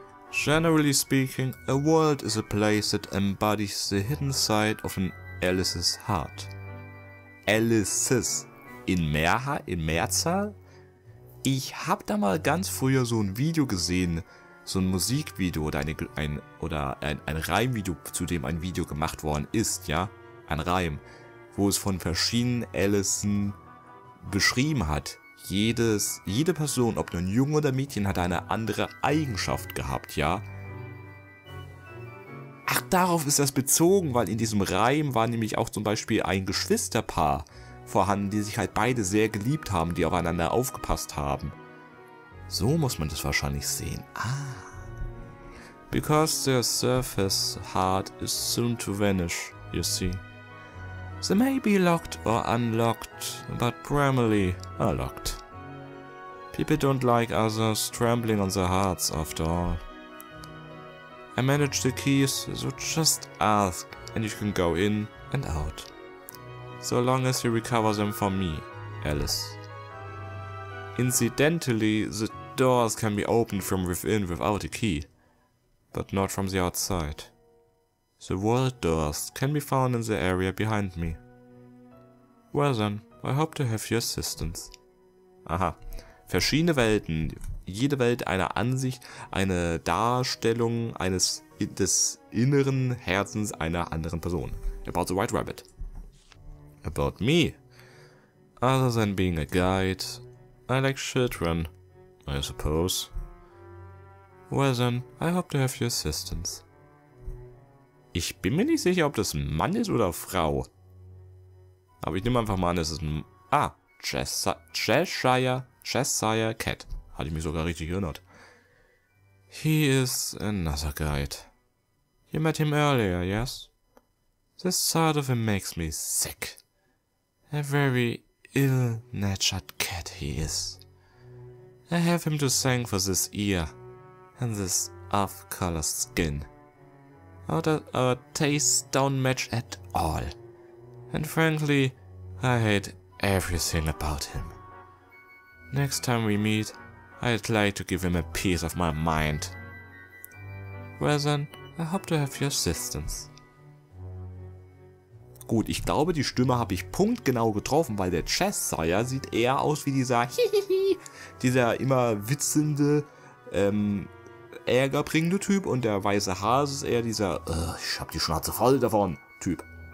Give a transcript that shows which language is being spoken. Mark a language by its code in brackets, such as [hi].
[en] Generally speaking, a world is a place that embodies the hidden side of an Alice's heart. [de] Alice's. In Mehrzahl? Ich hab da mal ganz früher so ein Video gesehen, so ein Musikvideo oder ein Reimvideo, zu dem ein Video gemacht worden ist, ja? Ein Reim, wo es von verschiedenen Alison beschrieben hat. Jede Person, ob nun Junge oder Mädchen, hat eine andere Eigenschaft gehabt, ja? Ach, darauf ist das bezogen, weil in diesem Reim war nämlich auch zum Beispiel ein Geschwisterpaar vorhanden, die sich halt beide sehr geliebt haben, die aufeinander aufgepasst haben. So muss man das wahrscheinlich sehen. Ah. [en] Because their surface heart is soon to vanish, you see. They may be locked or unlocked, but primarily are locked. People don't like others trembling on their hearts, after all. I manage the keys, so just ask, and you can go in and out. So long as you recover them from me, Alice. Incidentally, the doors can be opened from within without a key, but not from the outside. The world doors can be found in the area behind me. Well then, I hope to have your assistance. [de] Aha. Verschiedene Welten. Jede Welt eine Ansicht, eine Darstellung des inneren Herzens einer anderen Person. [en] About the White Rabbit. About me. Other than being a guide, I like children, I suppose. Well then, I hope to have your assistance. [de] Ich bin mir nicht sicher, ob das ein Mann ist oder Frau. Aber ich nehme einfach mal an, es ist ein... Ah, Cheshire Cat. Hatte ich mich sogar richtig erinnert. [en] He is another guide. You met him earlier, yes? This sort of him makes me sick. A very ill-natured cat he is. I have him to thank for this ear and this off-color skin. Our tastes don't match at all. And frankly, I hate everything about him. Next time we meet, I'd like to give him a piece of my mind. Well then, I hope to have your assistance. [de] Gut, ich glaube, die Stimme habe ich punktgenau getroffen, weil der Cheshire sieht eher aus wie dieser Hihihi, dieser immer witzelnde, ärgerbringende Typ und der weiße Hase ist eher dieser, ich habe die Schnauze voll davon, Typ.